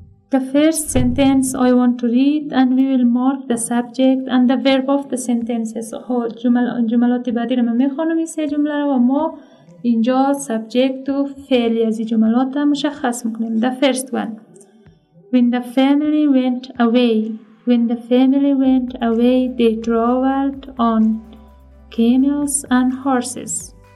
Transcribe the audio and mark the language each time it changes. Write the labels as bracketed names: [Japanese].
[English] The first sentence I want to read and we will mark the subject and the verb of the sentences. [Persian] جملات بعدی را من میخوانم این سه جمله را و ما اینجا subject و فعلی از این جملات را مشخص میکنیم. [English] The first one. When the family went away, they traveled on camels and horses.